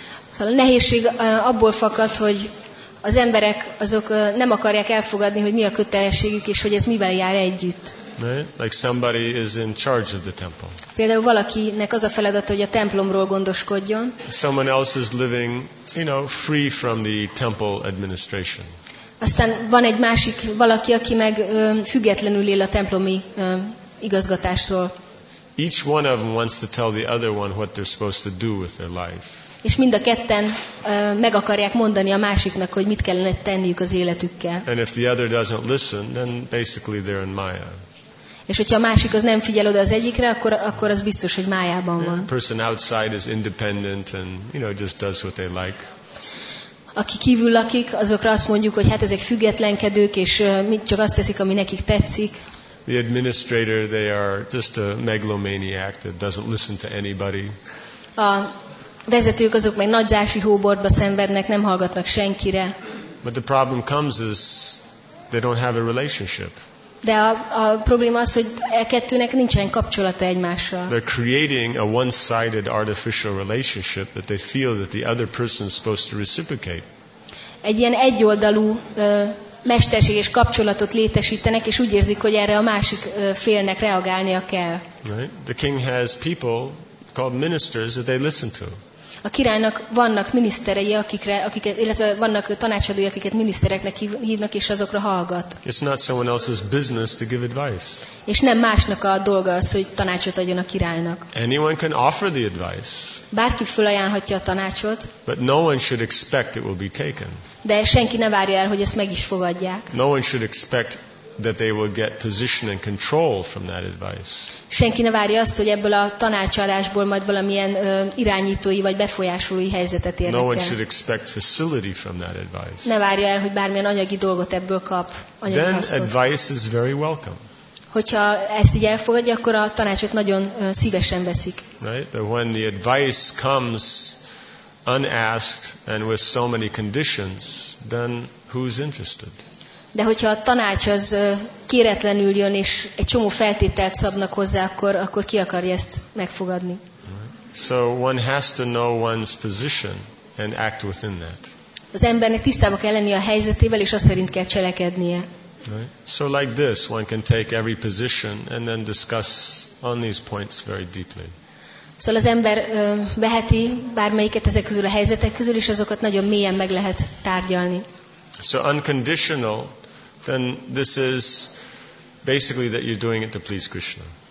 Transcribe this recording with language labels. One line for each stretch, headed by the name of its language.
Hungarian: Szóval a nehézség abból fakad, hogy az emberek azok nem akarják elfogadni, hogy mi a kötelességük és hogy ez mivel jár együtt.
English: Right? Like somebody is in charge of the temple.
Hungarian: Például valakinek az a feladat, hogy a templomról gondoskodjon.
English: Someone else is living, you know, free from the temple administration.
Hungarian: Aztán van egy másik valaki, aki meg függetlenül él a templomi igazgatásról.
English: Each one of them wants to tell the other one what they're supposed to do with their life.
Hungarian: És mind a ketten meg akarják mondani a másiknak, hogy mit kellene tenniük az életükkel.
English: And if the other doesn't listen, then basically they're in Maya.
Hungarian: És hogyha a másik az nem figyel oda az egyikre, akkor az biztos, hogy májában van.
English: The person outside is independent and, you know, just does what they like.
Hungarian: Aki kívül lakik, azokra azt mondjuk, hogy hát ezek függetlenkedők, és csak azt teszik, ami nekik tetszik.
English: The administrator, they are just a megalomaniac that doesn't listen to anybody.
Hungarian: A vezetők azok meg nagy zási hóbortba szenvednek, nem hallgatnak senkire.
English: But the problem comes is they don't have a relationship.
Hungarian: De a probléma az, hogy a kettőnek nincsen kapcsolata egymással.
English: They're creating a one-sided artificial relationship that they feel that the other person is supposed to reciprocate.
Hungarian: Egy ilyen egyoldalú mesterséges kapcsolatot létesítenek, és úgy érzik, hogy erre a másik félnek reagálnia kell.
English: Right? The king has people called ministers that they listen to.
Hungarian: A királynak vannak miniszterei, illetve vannak tanácsadói, akiket minisztereknek hívnak, és azokra hallgat.
English: It's not someone else's business to give advice.
Hungarian: És nem másnak a dolga az, hogy tanácsot adjon a királynak.
English: Anyone can offer the advice.
Hungarian: Bárki fölajánlhatja a tanácsot.
English: But no one should expect it will be taken.
Hungarian: De senki ne várja el, hogy ezt meg is fogadják.
English: No one should expect that they will get position and control from that advice.
Hungarian: Senki ne várja azt, hogy ebből a tanácsadásból majd valamilyen irányítói vagy befolyásolói helyzetet érnek el.
English: No one should expect facility from that advice.
Hungarian: Ne várja el, hogy bármilyen anyagi dolgot ebből kap, anyagi
English: Then
Hungarian: hasznot.
English: Advice is very welcome.
Hungarian: Hogyha ezt így elfogadja, akkor a tanácsot nagyon szívesen veszik.
English: Right? But when the advice comes unasked and with so many conditions, then who's interested?
Hungarian: De hogyha a tanács az kéretlenül jön, és egy csomó feltételt szabnak hozzá, akkor ki akarja ezt megfogadni?
English: So one has to know one's position and act within that.
Hungarian: Az embernek tisztába kell lennie a helyzetével, és azt szerint kell cselekednie.
English: So like this, one can take every position and then discuss on these points very deeply.
Hungarian: Szóval az ember veheti bármelyiket ezek közül a helyzetek közül, és azokat nagyon mélyen meg lehet tárgyalni.
English: So unconditional, then this is basically that you're doing it to please Krishna.